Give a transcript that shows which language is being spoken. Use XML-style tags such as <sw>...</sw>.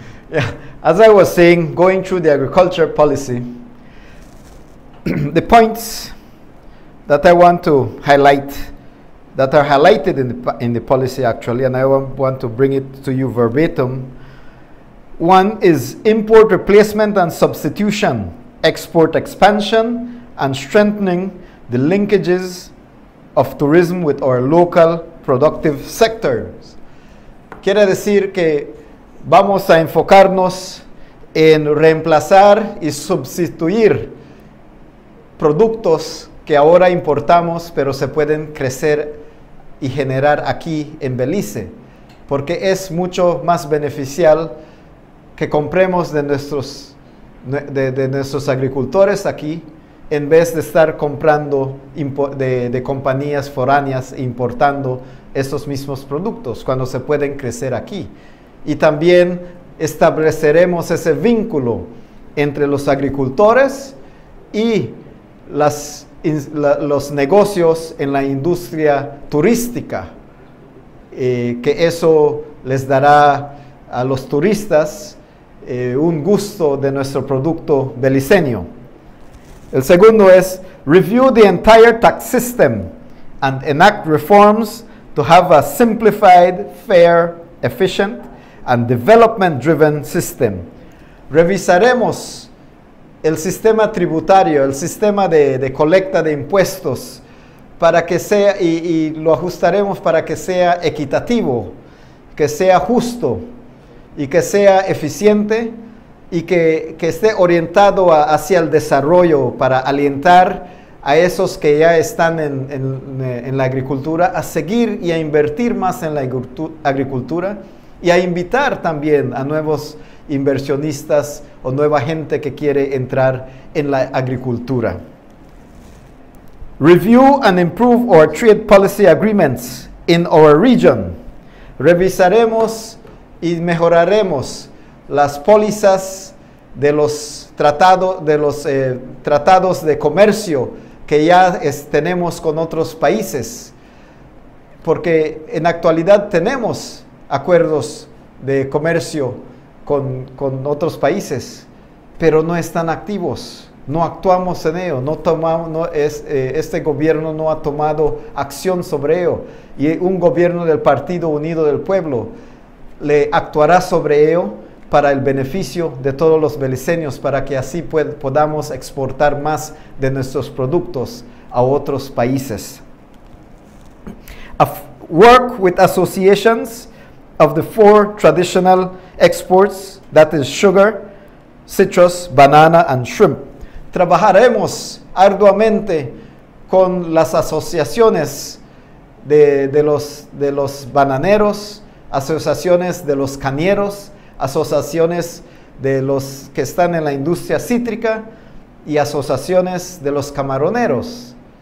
<en>Yeah, as I was saying, going through the agriculture policy, the points that I want to highlight, that are highlighted in the policy actually, and I want to bring it to you verbatim. One is import replacement and substitution, export expansion, and strengthening the linkages of tourism with our local productive sectors.</en> <es>Quiere decir que vamos a enfocarnos en reemplazar y sustituir productos que ahora importamos, pero se pueden crecer y generar aquí en Belice, porque es mucho más beneficial que compremos de nuestros agricultores aquí en vez de estar comprando de compañías foráneas importando esos mismos productos cuando se pueden crecer aquí. Y también estableceremos ese vínculo entre los agricultores y los negocios en la industria turística, que eso les dará a los turistas un gusto de nuestro producto beliceño. El segundo es</es> <en>review the entire tax system and enact reforms to have a simplified, fair, efficient, and development-driven system.</en> <es>Revisaremos el sistema tributario, el sistema de colecta de impuestos, para que sea y lo ajustaremos para que sea equitativo, que sea justo y que sea eficiente y que esté orientado hacia el desarrollo para alientar a esos que ya están en la agricultura a seguir y a invertir más en la agricultura y a invitar también a nuevos inversionistas o nueva gente que quiere entrar en la agricultura.</es> <en>Review and improve our trade policy agreements in our region.</en> <es>Revisaremos y mejoraremos las pólizas de los tratados de comercio que ya tenemos con otros países, porque en actualidad tenemos acuerdos de comercio con otros países, pero no están activos, no actuamos en ello, este gobierno no ha tomado acción sobre ello, y un gobierno del Partido Unido del Pueblo le actuará sobre ello para el beneficio de todos los beliceños, para que así podamos exportar más de nuestros productos a otros países.</es> <en>Work with associations of the four traditional exports, that is sugar, citrus, banana, and shrimp.</en> <es>Trabajaremos arduamente con las asociaciones de los bananeros, asociaciones de los cañeros, asociaciones de los que están en la industria cítrica y asociaciones de los camaroneros.</es>